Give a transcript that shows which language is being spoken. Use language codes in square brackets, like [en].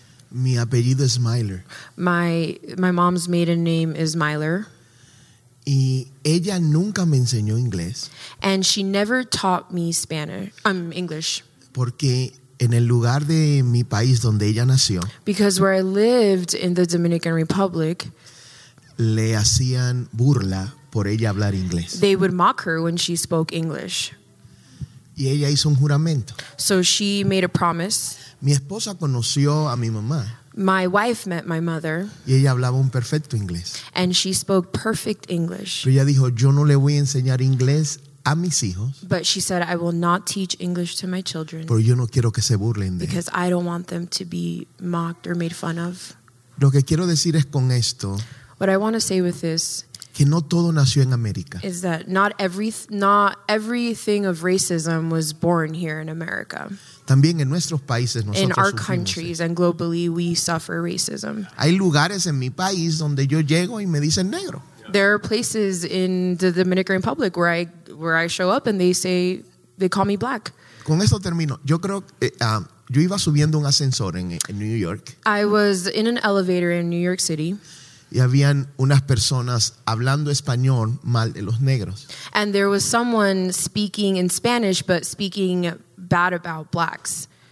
[es] Mi apellido es Myler. [en] My mom's maiden name is Myler. [es] Y ella nunca me enseñó inglés. [en] And she never taught me English. [es] Porque en el lugar de mi país donde ella nació. [en] Because where I lived in the Dominican Republic. [es] Le hacían burla. Por ella hablar inglés. [en] They would mock her when she spoke English. [es] Y ella hizo un juramento. [en] So she made a promise. [es] Mi esposa conoció a mi mamá. [en] My wife met my mother. [es] Y ella hablaba un perfecto inglés. [en] And she spoke perfect English. [es] Pero ella dijo, yo no le voy a enseñar inglés a mis hijos. [en] But she said, I will not teach English to my children. [es] Pero yo no quiero que se burlen de [en] because [es] él. [en] I don't want them to be mocked or made fun of. [es] Lo que quiero decir es con esto. [en] What I want to say with this. [es] Que no todo nació en América. [en] Is that not everything of racism was born here in America. [es] También en nuestros países nosotros sufrimos. [en] In our countries and globally we suffer racism. [es] Hay lugares en mi país donde yo llego y me dicen negro. [en] There are places in the Dominican Republic where I show up and they call me black. [es] Con esto termino. Yo creo yo iba subiendo un ascensor en New York. [en] I was in an elevator in New York City. [es] Y habían unas personas hablando español mal de los negros. [en] And there was someone speaking in Spanish but speaking bad about blacks.